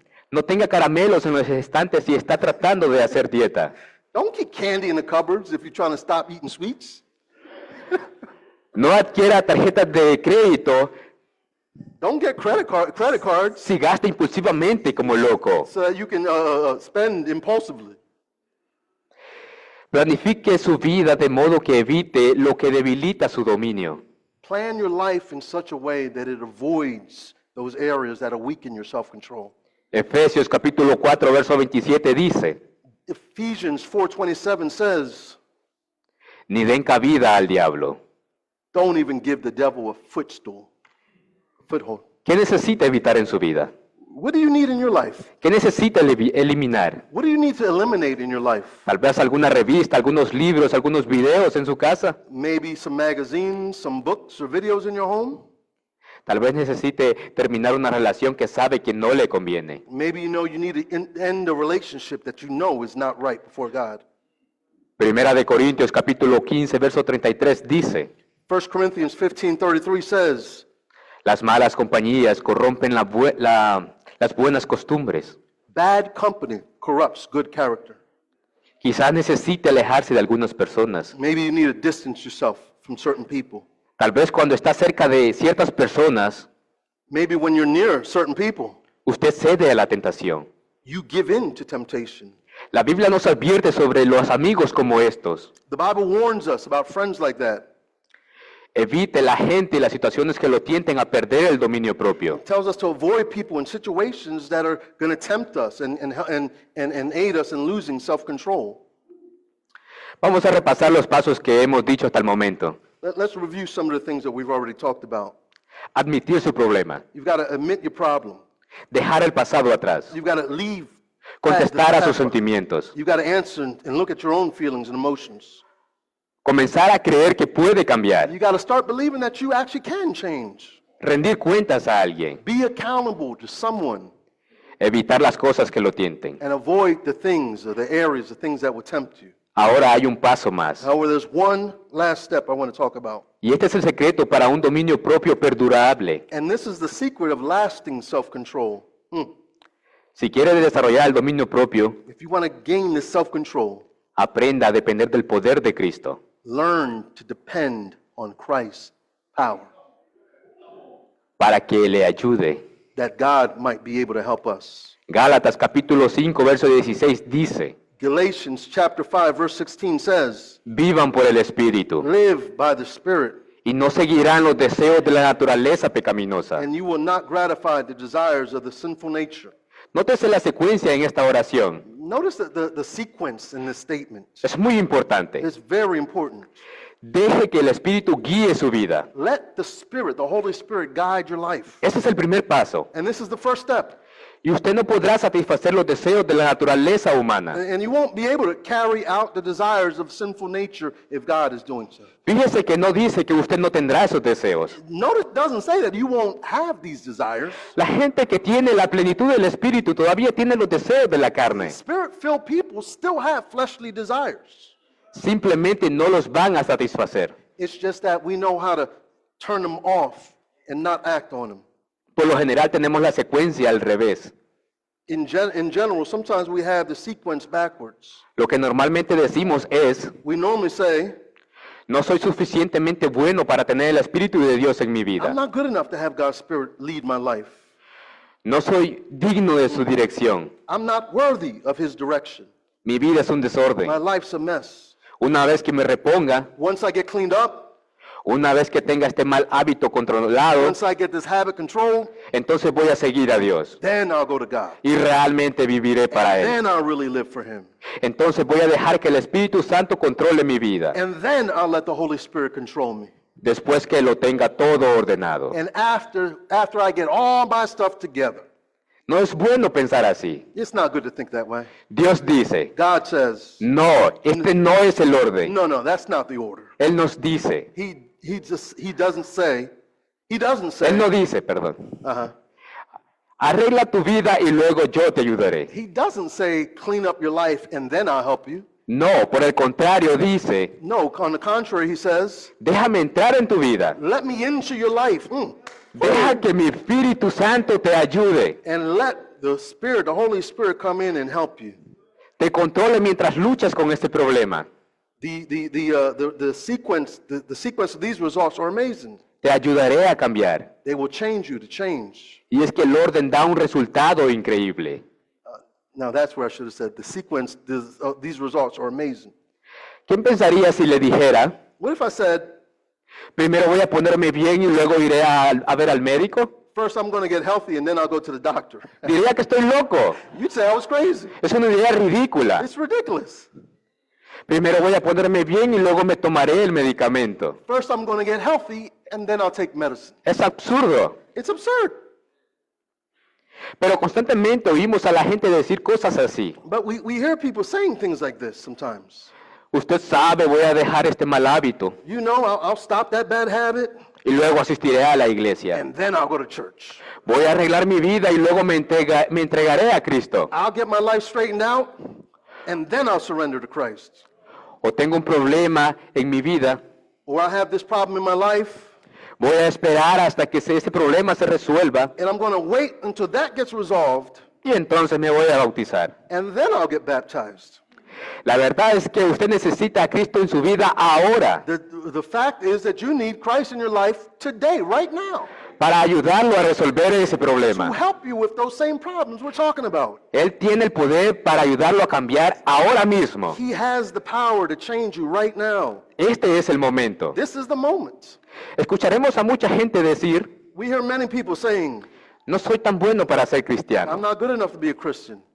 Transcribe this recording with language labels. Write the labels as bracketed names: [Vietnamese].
[Spanish] No tenga caramelos en los estantes si está tratando de hacer dieta. [English] Don't keep candy in the cupboards if you're trying to stop eating sweets. [Spanish] No adquiera tarjetas de crédito. [English] Don't get credit cards. [Spanish] Si gasta impulsivamente como loco. [English] So that you can spend impulsively. [Spanish] Planifique su vida de modo que evite lo que debilita su dominio. [English] Plan your life in such a way that it avoids those areas that are weakening your self-control. [Spanish] Efesios capítulo 4, verso 27 dice. [English] Ephesians 4:27 says, [Spanish] ni den cabida al diablo. [English] Don't even give the devil a foothold. [Spanish] ¿Qué necesita evitar en su vida? [English] What do you need in your life? [Spanish] ¿Qué necesita eliminar? [English] What do you need to eliminate in your life? [Spanish] Tal vez alguna revista, algunos libros, algunos videos en su casa. [English] Maybe some magazines, some books or videos in your home. [Spanish] Tal vez necesite terminar una relación que sabe que no le conviene. [English] Maybe you know you need to end a relationship that you know is not right before God. [Spanish] Primera de Corintios capítulo 15 verso 33 dice. [English] 1 Corinthians 15:33 says. [Spanish] Las malas compañías corrompen las buenas costumbres. [English] Bad company corrupts good character. [Spanish] Quizás necesite alejarse de algunas personas. [English] Maybe you need to distance yourself from certain people. [Spanish] Tal vez cuando está cerca de ciertas personas, [English] maybe when you're near certain people, [Spanish] usted cede a la tentación. [English] You give in to temptation. [Spanish] La Biblia nos advierte sobre los amigos como estos. [English] The Bible warns us about friends like that. [Spanish] Evite la gente y las situaciones que lo tienten a perder el dominio propio. [English] It tells us to avoid people in situations that are going to tempt us and aid us in losing self-control. [Spanish] Vamos a repasar los pasos que hemos dicho hasta el momento. [English] Let's review some of the things that we've already talked about. [Spanish] Admitir su problema. [English] You've got to admit your problem. [Spanish] Dejar el pasado atrás. [English] You've got to leave. [Spanish] Contestar a sus sentimientos. [English] You've got to answer and look at your own feelings and emotions. [Spanish] Comenzar a creer que puede cambiar. [English] You've got to start believing that you actually can change. [Spanish] Rendir cuentas a alguien. [English] Be accountable to someone. [Spanish] Evitar las cosas que lo tienten. [English] And avoid the things or the areas, the things that will tempt you. [Spanish] Ahora hay un paso más. [English] However, there's one last step I want to talk about. [Spanish] Y este es el secreto para un dominio propio perdurable. [English] And this is the secret of lasting self-control. [Spanish] Si quiere desarrollar el dominio propio, [English] if you want to gain the self-control, [Spanish] aprenda a depender del poder de Cristo. [English] Learn to depend on Christ's power. [Spanish] Para que le ayude. [English] That God might be able to help us. [Spanish] Gálatas capítulo 5 verso 16 dice. [English] Galatians chapter 5 verse 16 says, [Spanish] vivan por el Espíritu. [English] Live by the Spirit. [Spanish] Y no seguirán los deseos de la naturaleza pecaminosa. [English] And you will not gratify the desires of the sinful nature. [Spanish] Nótese la secuencia en esta oración. [English] Notice the sequence in this statement. [Spanish] Es muy importante. [English] It's very important. [Spanish] Deje que el Espíritu guíe su vida. [English] Let the Spirit, the Holy Spirit, guide your life. [Spanish] Ese es el primer paso. [English] And this is the first step. [Spanish] Y usted no podrá satisfacer los deseos de la naturaleza humana. [English] And you won't be able to carry out the desires of sinful nature if God is doing so. [Spanish] Fíjese que no dice que usted no tendrá esos deseos. [English] Notice it doesn't say that you won't have these desires. [Spanish] La gente que tiene la plenitud del espíritu todavía tiene los deseos de la carne. [English] Spirit-filled people still have fleshly desires. [Spanish] Simplemente no los van a satisfacer. [English] It's just that we know how to turn them off and not act on them. [Spanish] Por lo general tenemos la secuencia al revés. [English] In general, sometimes we have the sequence backwards. [Spanish] Lo que normalmente decimos es, [English] we normally say, [Spanish] no soy suficientemente bueno para tener el Espíritu de Dios en mi vida. [English] I'm not good enough to have God's Spirit lead my life. [Spanish] No soy digno de su dirección. [English] I'm not worthy of his direction. [Spanish] Mi vida es un desorden. [English] My life's a mess. [Spanish] Una vez que me reponga, [English] once I get cleaned up, [Spanish] una vez que tenga este mal hábito controlado, [English] once I get this habit controlled, [Spanish] entonces voy a seguir a Dios. [English] Then I'll go to God. [Spanish] Y realmente viviré para [English] and [Spanish] Él. [English] Then I'll really live for him. [Spanish] Entonces voy a dejar que el Espíritu Santo controle mi vida. [English] And then I'll let the Holy Spirit control me. [Spanish] Después que lo tenga todo ordenado. [English] And after I get all my stuff together. [Spanish] No es bueno pensar así. [English] It's not good to think that way. [Spanish] Dios dice, [English] God says, [Spanish] no, este no es el orden. [English] No, that's not the order. [Spanish] Él nos dice. [English] He doesn't say. [Spanish] Él no dice, perdón. Uh-huh. Arregla tu vida y luego yo te ayudaré. [English] He doesn't say, clean up your life and then I'll help you. [Spanish] No, por el contrario, dice. [English] No, on the contrary, he says. [Spanish] Déjame entrar en tu vida. [English] Let me into your life. Mm. [Spanish] Deja que mi Espíritu Santo te ayude. [English] And let the Spirit, the Holy Spirit, come in and help you. [Spanish] Te controle mientras luchas con este problema. [English] The sequence of these results are amazing. [Spanish] Te ayudaré a cambiar. [English] They will change you to change. [Spanish] Y es que el orden da un resultado increíble. [English] Now that's where I should have said the sequence. These results are amazing. [Spanish] ¿Quién pensaría si le dijera? [English] What if I said? [Spanish] Primero voy a ponerme bien y luego iré a ver al médico. [English] First I'm going to get healthy and then I'll go to the doctor. [Spanish] Diría que estoy loco. [English] You'd say I was crazy. [Spanish] Es una idea ridícula. [English] It's ridiculous. [Spanish] Primero voy a ponerme bien y luego me tomaré el medicamento. [English] First I'm going to get healthy and then I'll take medicine. [Spanish] Es absurdo. [English] It's absurd. [Spanish] Pero constantemente oímos a la gente decir cosas así. [English] But we hear people saying things like this sometimes. [Spanish] Usted sabe, voy a dejar este mal hábito. [English] You know, I'll stop that bad habit. [Spanish] Y luego asistiré a la iglesia. [English] And then I'll go to church. [Spanish] Voy a arreglar mi vida y luego me entregaré a Cristo. [English] I'll get my life straightened out. And then I'll surrender to Christ. [Spanish] O tengo un problema en mi vida. [English] Or I have this problem in my life. [Spanish] Voy a esperar hasta que este problema se resuelva. [English] And I'm going to wait until that gets resolved. [Spanish] Y entonces me voy a bautizar. [English] And then I'll get baptized. [Spanish] La verdad es que usted necesita a Cristo en su vida ahora. [English] The fact is that you need Christ in your life today, right now. [Spanish] Para ayudarlo a resolver ese problema. [English] To help you with those same problems we're talking about. [Spanish] Él tiene el poder para ayudarlo a cambiar ahora mismo. [English] He has the power to change you right now. [Spanish] Este es el momento. [English] This is the moment. [Spanish] Escucharemos a mucha gente decir, [English] we hear many people saying, [Spanish] no soy tan bueno para ser cristiano. [English] I'm not good enough to be a Christian.